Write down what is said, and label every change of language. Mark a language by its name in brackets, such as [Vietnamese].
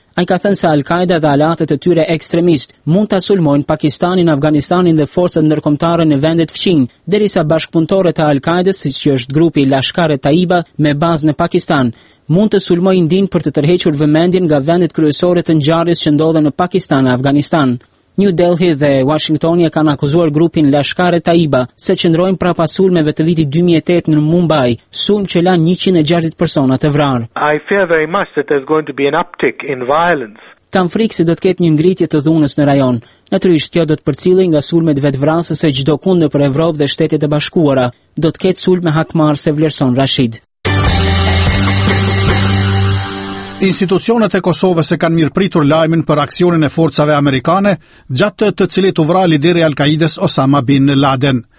[Albanian] Ai ka thënë se Al-Qaida dhe alatet e tyre ekstremist mund ta sulmojnë Pakistanin, Afganistanin dhe forcat ndërkombëtare në vendet fqinj, derisa bashkëpunëtorët e Al-Qaidës, siç është grupi Lashkare Taiba me bazë në Pakistan, mund të sulmojnë Indin për të tërhequr vëmendjen nga vendet kryesore të ngjarjes që ndodhen në Pakistan e Afganistan. New Delhi dhe Washingtonia kanë akuzuar grupin Lashkare Taiba se qëndrojnë prapa sulmeve të vitit 2008 në Mumbai, sulm që lanë 160 persona të vrarë. [English] I fear very much that there's going to be an uptick in violence. [Albanian] Kam frikë se do të ketë një ngritje të dhunës në rajon. Natyrisht kjo do të përcillej nga sulmet vetvrasës së çdo kund nëpër Evropë dhe Shtetet e Bashkuara. Do të ketë sulme hakmarrëse, vlerëson Rashid. Institucionet e Kosovës e kanë mirëpritur lajmin për aksionin e forcave amerikane, gjatë të cilit u vra lideri i Al-Qaidës Osama Bin Laden.